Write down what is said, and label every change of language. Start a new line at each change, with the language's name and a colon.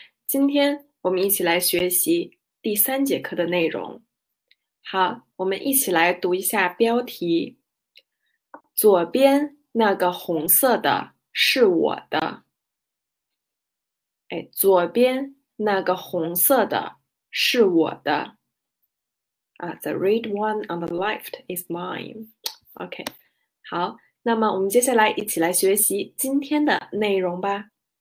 Chinese: 今天我们一起来学习第三节课的内容。好，我们一起来读一下标题。左边那个红色的是我的。哎，左边那个红色的是我的。
English: The red one on the left is mine.
Chinese: OK，好。那么，我们接下来一起来学习今天的内容吧。